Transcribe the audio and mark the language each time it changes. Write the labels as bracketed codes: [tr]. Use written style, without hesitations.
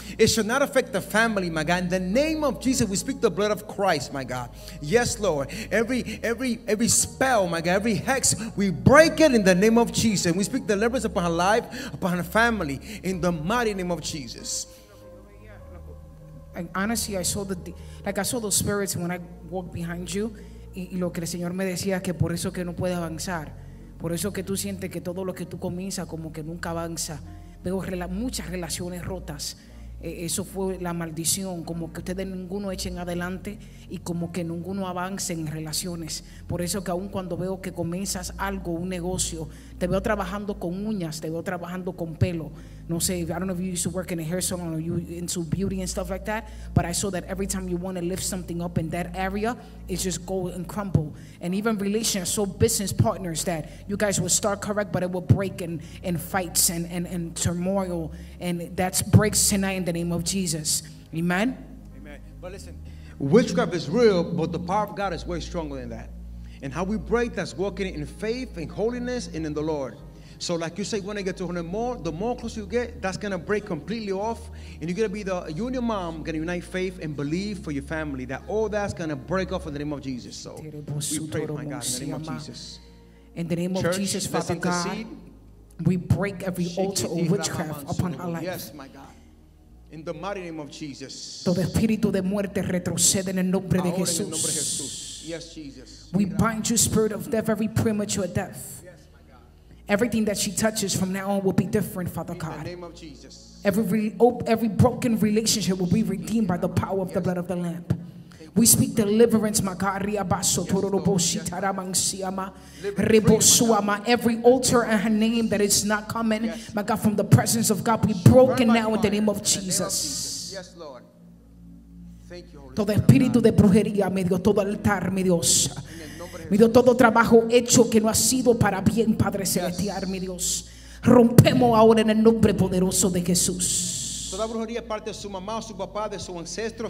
[en] It should not affect the family, my God. In the name of Jesus, we speak the blood of Christ, my God. Yes, Lord. Every spell, my God, every hex, we break it in the name of Jesus. And we speak deliverance upon her life, upon her family, in the mighty name of Jesus. And honestly, I saw those spirits when I walked behind you. [es] Y lo que el Señor me decía que por eso que no puede avanzar. Por eso que tú sientes que todo lo que tú comienzas como que nunca avanza. Veo muchas relaciones rotas. Eso fue la maldición, como que ustedes ninguno echen adelante y como que ninguno avance en relaciones. Por eso que aun cuando veo que comienzas algo, un negocio, te veo trabajando con uñas, te veo trabajando con pelo. No sé, [en] I don't know if you used to work in a hair salon or you into beauty and stuff like that, but I saw that every time you want to lift something up in that area, it just go and crumble. And even relations, so business partners that you guys would start correct, but it would break in fights and turmoil. And that breaks tonight in the name of Jesus. Amen? Amen. But listen, witchcraft is real, but the power of God is way stronger than that. And how we break, that's walking in faith, in holiness, and in the Lord. So like you say, when I get to 100 more, the more close you get, that's going to break completely off. And you're going to be the union mom, going to unite faith and believe for your family. That all that's going to break off in the name of Jesus. So we pray, my God, in the name of Jesus. In the name of Church, Jesus, Father God, intercede. We break every altar of witchcraft upon our life. Yes, my God. In the mighty name of Jesus. [es] Todo espíritu de muerte retrocede en el nombre de Jesús. [en] Yes, Jesus. We bind you, spirit of death, every premature death. Everything that she touches from now on will be different, Father God. In the name of Jesus. Every broken relationship will be redeemed by the power of the blood of the Lamb. We speak deliverance, my God. Every altar in her name that is not coming, my God, from the presence of God, be broken now in the name of Jesus. Yes, Lord. Thank you, Holy Spirit. [es] Todo espíritu de brujería, mi Dios, todo altar, mi Dios. Mi Dios, todo trabajo hecho que no ha sido para bien, Padre Celestial, mi Dios. Rompemos ahora en el nombre poderoso de Jesús. Toda brujería parte de su mamá, su papá, de su ancestro,